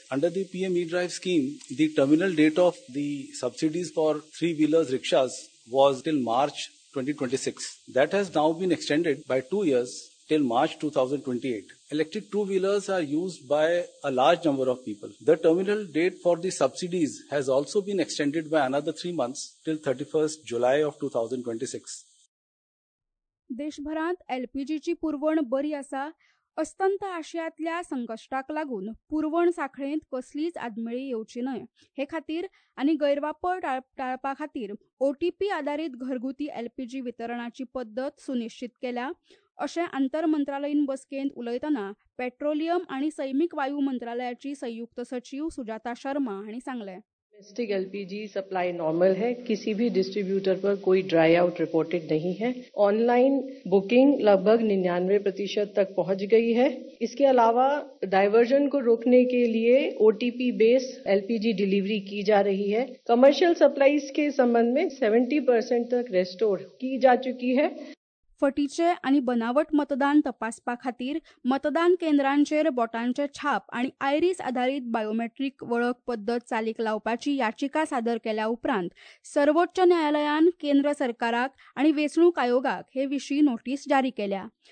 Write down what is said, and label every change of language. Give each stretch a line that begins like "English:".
English: Under the PM E-Drive scheme, the terminal date of the subsidies for three-wheelers rickshaws was till March 2026. That has now been extended by 2 years till March 2028. Electric two-wheelers are used by a large number of people. The terminal date for the subsidies has also been extended by another 3 months till 31st July of 2026.
Konkani: देशभरात एलपीजीची पुरवण बरी आसा. अस्तंत आशियातल्या संकश्टाक लागून पुरवण साखळेंत कसलीच आदमेळी येवची न्हय हे खातीर आनी गैरवापर टाळपा खातीर ओटीपी आधारित घरगुती एलपीजी वितरणाची पद्दत सुनिश्चित केल्या अशें आंतर मंत्रालयीन बसकेंत उलयतना पेट्रोलियम आनी सैमीक वायू मंत्रालयाची संयुक्त सचिव सुजाता शर्मा हांणी सांगले.
Hindi: डोमेस्टिक एलपीजी सप्लाई नॉर्मल है, किसी भी डिस्ट्रीब्यूटर पर कोई ड्राई आउट रिपोर्टेड नहीं है. ऑनलाइन बुकिंग लगभग 99% तक पहुंच गई है. इसके अलावा डायवर्जन को रोकने के लिए ओटीपी बेस एलपीजी डिलीवरी की जा रही है. कमर्शियल सप्लाईज के संबंध में 70% तक रेस्टोर की जा चुकी है.
Konkani: फटीचे आणि बनावट मतदान तपासपा खातीर मतदान केंद्रांचेर बोटांचे छाप आणि आयरीस आधारित बायोमेट्रिक वळख पद्दत चालीक लावपाची याचिका सादर केल्या उपरांत सर्वोच्च न्यायालयान केंद्र सरकाराक आणि वेचणूक आयोगाक हे विशीं नोटीस जारी केल्या.